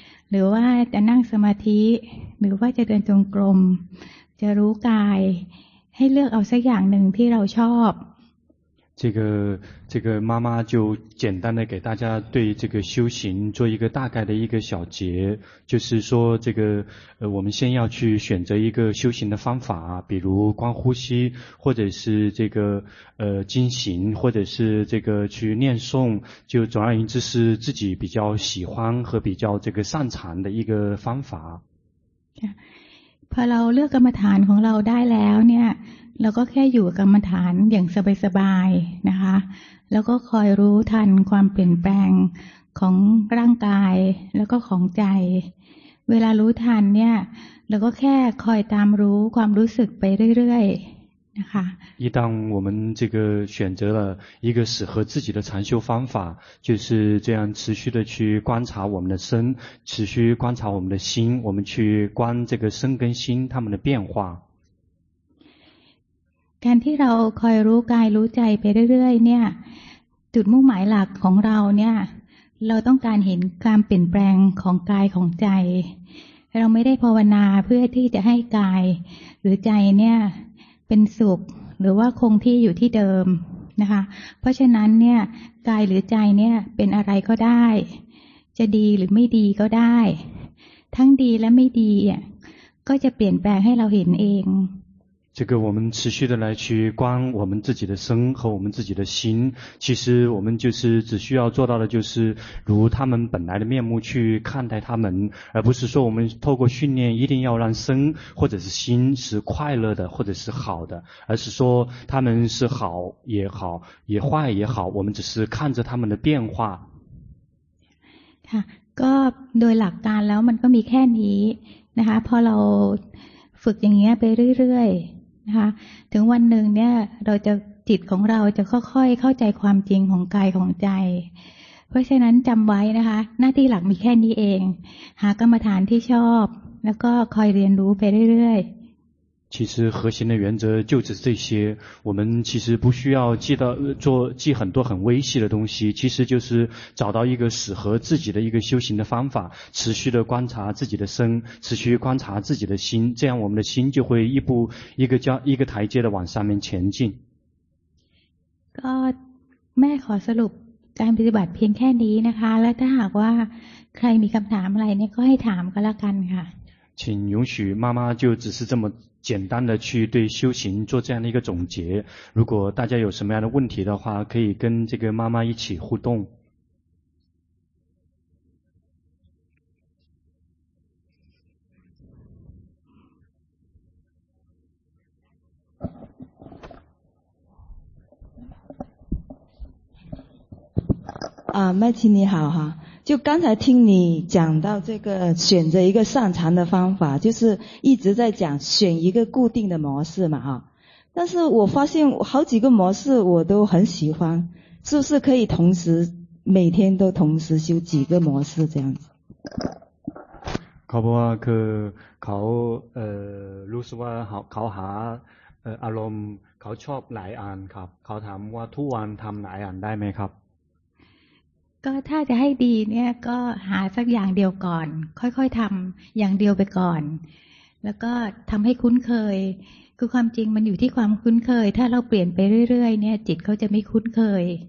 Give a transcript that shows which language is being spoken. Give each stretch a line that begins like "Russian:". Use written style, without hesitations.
Thai: หรือว่าจะนั่งสมาธิหรือว่าจะเดินจงกรมจะรู้กายให้เลือกเอาสักอย่างหนึ่งที่เราชอบ
Chinese: 这个妈妈就简单的给大家对这个修行做一个大概的一个小结，就是说这个我们先要去选择一个修行的方法，比如观呼吸，或者是这个静行，或者是这个去念诵，就总而言之是自己比较喜欢和比较这个擅长的一个方法。
Thai: พอเราเลือกกรรมฐานของเราได้แล้วเนี่ยเราก็แค่อยู่กรรมฐานอย่างสบายๆนะคะแล้วก็คอยรู้ทันความเปลี่ยนแปลงของร่างกายแล้วก็ของใจเวลารู้ทันเนี่ยเราก็แค่คอยตามรู้ความรู้สึกไปเรื่อยๆ
Chinese: 一旦我们这个选择了一个适合自己的禅修方法，就是这样持续的去观察我们的身，持续观察我们的心，我们去观这个身跟心它们的变化。
Thai: การที่เราคอยรู้กายรู้ใจไปเรื่อยๆเนี่ยจุดมุ่งหมายหลักของเราเนี่ยเราต้องการเห็นความเปลี่ยนแปลงของกายของใจเราไม่ได้ภาวนาเพื่อที่จะให้กายหรือใจเนี่ยเป็นสุขหรือว่าคงที่อยู่ที่เดิมนะคะเพราะฉะนั้นเนี่ยกายหรือใจเนี่ยเป็นอะไรก็ได้จะดีหรือไม่ดีก็ได้ทั้งดีและไม่ดีก็จะเปลี่ยนแปลงให้เราเห็นเอง
Chinese: 这个我们持续的来去观我们自己的身和我们自己的心其实我们就是只需要做到的就是如他们本来的面目去看待他们而不是说我们透过训练一定要让身或者是心是快乐的或者是好的而是说他们是好也好也坏也好我们只是看着他们的变化
Thai: ก็โดยหลักการแล้วมันก็มีแค่นี้นะคะพอเราฝึกอย่างเงี้ยไปเรื่อยๆนะคะถึงวันหนึ่งเนี่ยเราจะจิตของเราจะค่อยๆเข้าใจความจริงของกายของใจเพราะฉะนั้นจำไว้นะคะหน้าที่หลักมีแค่นี้เองหากรรมฐานที่ชอบแล้วก็คอยเรียนรู้ไปเรื่อยๆ
Chinese: 其实核心的原则就只这些我们其实不需要记很多很微细的东西其实就是找到一个适合自己的一个修行的方法持续的观察自己的身持续观察自己的心这样我们的心就会一步一个台阶的往上面前进
Thai: ก็แม่ขอสรุปการปฏิบัติเพียงแค่นี้นะคะและถ้าหากว่าใครมีคำถามอะไรเนี่ยก็ให้ถามก็แล้วกันค่ะ
Chinese: 请允许妈妈就只是这么简单的去对修行做这样的一个总结如果大家有什么样的问题的话可以跟这个妈妈一起互动啊，麦琪你好哈，就刚才听你讲到这个选择一个擅长的方法，就是一直在讲选一个固定的模式嘛哈。但是我发现好几个模式我都很喜欢，是不是可以同时每天都同时修几个模式这样子？
Thai: เขาบอกว่าคือเขารู้สึกว่าเขาหาอารมณ์เขาชอบหลายอันครับเขาถามว่าทุกวันทำหลายอันได้ไหมครับ ก็ถ้าจะให้ดีเนี่ยก็หาสักอย่างเดียวก่อนค่อยๆทำอย่างเดียวไปก่อนแล้วก็ทำให้คุ้นเคยคือความจริงมันอยู่ที่ความคุ้นเคยถ้าเราเปลี่ยนไปเรื่อยๆเนี่ยจิตเขาจะไม่คุ้นเคย